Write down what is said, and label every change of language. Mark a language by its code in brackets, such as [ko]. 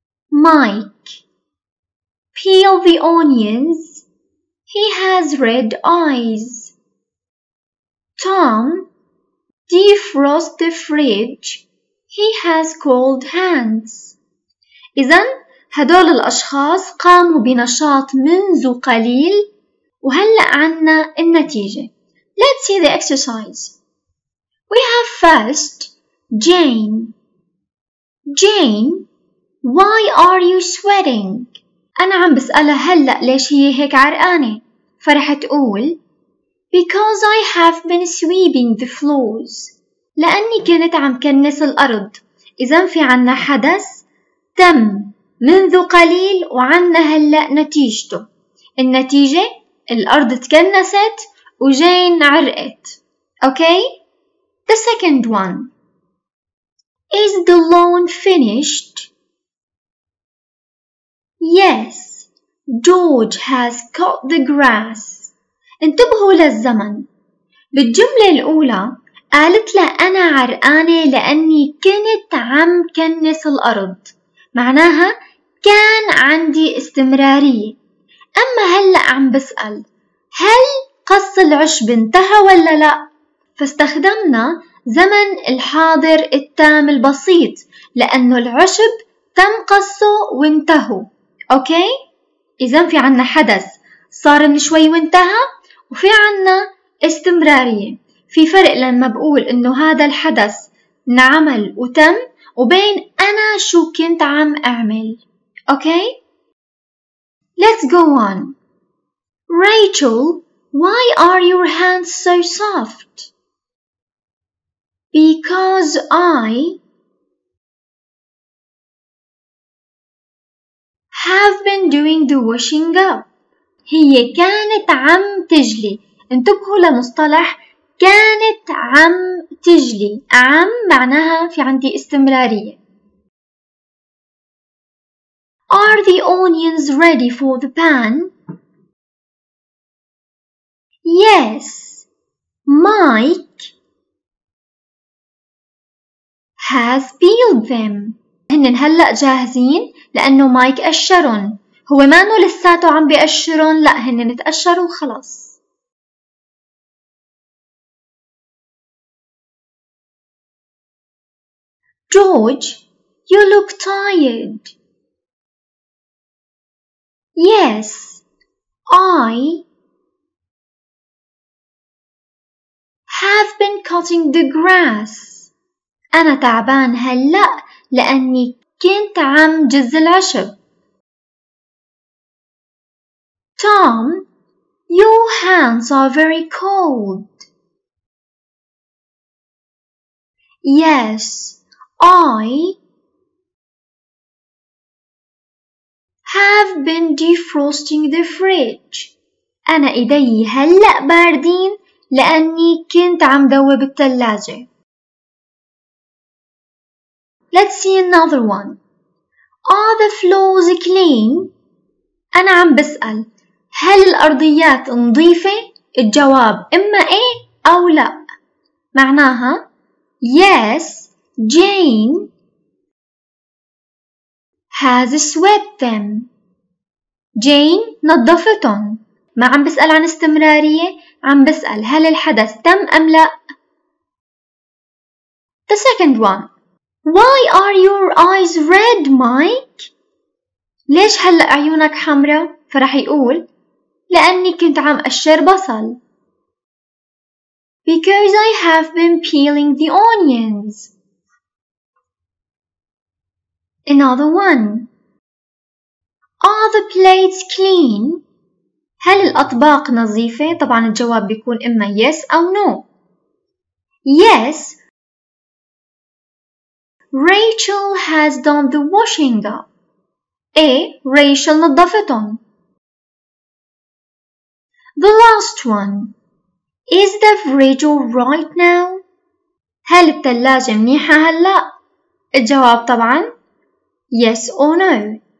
[en] Mike peel the onions, he has red eyes. Tom defrost the fridge, he has cold hands. [ar] إذن هدول الأشخاص قاموا بنشاط منذ قليل وهلأ عنا النتيجة. [en] Let's see the exercise. We have first Jane. Jane, why are you sweating? [ar] أنا عم بسألها هلأ ليش هي هيك عرقانة؟ فرح تقول [en] Because I have been sweeping the floors. [ar] لأني كنت عم كنس الأرض. إذن في عنا حدث تم منذ قليل وعنا هلأ نتيجته. النتيجة الأرض تكنست وجين عرقت. [en] Okay? The second one. Is the lawn finished? Yes. George has cut the grass. [ar] انتبهوا للزمن. بالجملة الأولى قالت لها أنا عرقانة لأني كنت عم كنس الأرض. معناها كان عندي استمرارية. أما هلأ عم بسأل هل قص العشب انتهى ولا لا؟ فاستخدمنا زمن الحاضر التام البسيط لأنه العشب تم قصه وانتهوا. أوكي؟ إذن في عنا حدث صار من شوي وانتهى, وفي عنا استمرارية. في فرق لما بقول إنه هذا الحدث نعمل وتم وبين أنا شو كنت عم أعمل. [en] Okay? Let's go on. Rachel, why are your hands so soft? Because I have been doing the washing up. [ar] هي كانت عم تجلي. انتبهوا لمصطلح كانت عم تجلي. عم معناها في عندي استمرارية. [en] Are the onions ready for the pan? Yes. Mike has peeled them. [ar] هنن هلأ جاهزين لأنه مايك أشرن. هو ما نو لساتو عم بيأشرن, لا هن نتأشروا خلاص. [en] George, you look tired. Yes, I have been cutting the grass. [ar] أنا تعبان هلأ لأني كنت عم جز العشب. [en] Tom, your hands are very cold. Yes, I have been defrosting the fridge. [ar] أنا إيدي هلأ باردين لأني كنت عم دوب الثلاجة. [en] Let's see another one. Are the floors clean? [ar] أنا عم بسأل هل الأرضيات نظيفة؟ الجواب إما إيه أو لا. معناها [en] Yes, Jane has swept them. [ar] Jane نظفتهم. ما عم بسأل عن استمرارية, عم بسأل هل الحدث تم أم لا؟ [en] The second one. Why are your eyes red, Mike? [ar] ليش هلأ عيونك حمرة؟ فرح يقول لأني كنت عم أقشر بصل. [en] Because I have been peeling the onions. Another one. Are the plates clean? [ar] هل الأطباق نظيفة؟ طبعاً الجواب بيكون إما yes أو no. [en] Yes. Rachel has done the washing up. [ar] إيه، ريشل نظفتهم. [en] The last one. Is the fridge alright now? [ar] هل الثلاجة منيحة هلأ؟ الجواب طبعاً [en] yes or no.